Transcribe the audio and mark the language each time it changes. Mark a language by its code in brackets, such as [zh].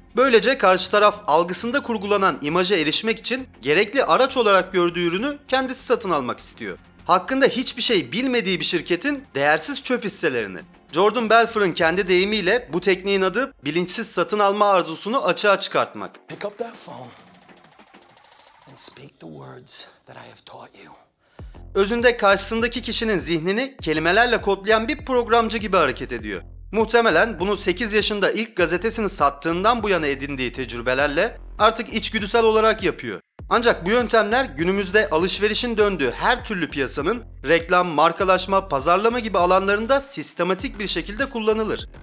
[tr] Böylece karşı taraf algısında kurgulanan imaja erişmek için gerekli araç olarak gördüğü ürünü kendisi satın almak istiyor. Hakkında hiçbir şey bilmediği bir şirketin değersiz çöp hisselerini. Jordan Belfour'un kendi deyimiyle bu tekniğin adı bilinçsiz satın alma arzusunu açığa çıkartmak. [en] Pick up that phone and speak the words that I have taught you. [tr] Özünde karşısındaki kişinin zihnini kelimelerle kodlayan bir programcı gibi hareket ediyor. Muhtemelen bunu 8 yaşında ilk gazetesini sattığından bu yana edindiği tecrübelerle artık içgüdüsel olarak yapıyor. Ancak bu yöntemler günümüzde alışverişin döndüğü her türlü piyasanın reklam, markalaşma, pazarlama gibi alanlarında sistematik bir şekilde kullanılır.